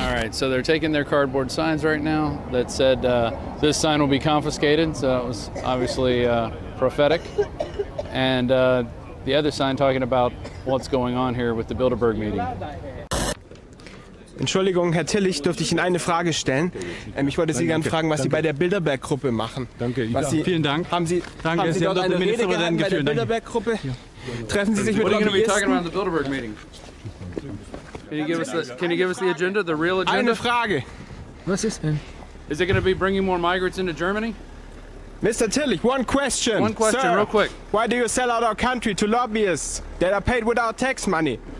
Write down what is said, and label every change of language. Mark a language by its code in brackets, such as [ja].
[en] So they're taking their cardboard signs right now that said this sign will be confiscated. So that was obviously prophetic. And the other sign talking about what's going on here with the Bilderberg meeting. [de] Entschuldigung, Herr Tillich, dürfte ich Ihnen eine Frage stellen? Ich wollte Sie gerne fragen, was Sie bei der Bilderberg-Gruppe machen. Danke. Was Sie, vielen Dank. Haben Sie, danke, haben Sie dort eine Rede gehalten bei der Bilderberg-Gruppe? Treffen Sie sich mit Lobbyisten? [en] What are you going to be talking about in the Bilderberg meeting? Can you give us the agenda, the real agenda? [de] Eine Frage. Was ist denn? [en] Is it going to be bringing more migrants into Germany? Mr. Tillich, one question, sir, real quick. Why do you sell out our country to lobbyists that are paid without tax money?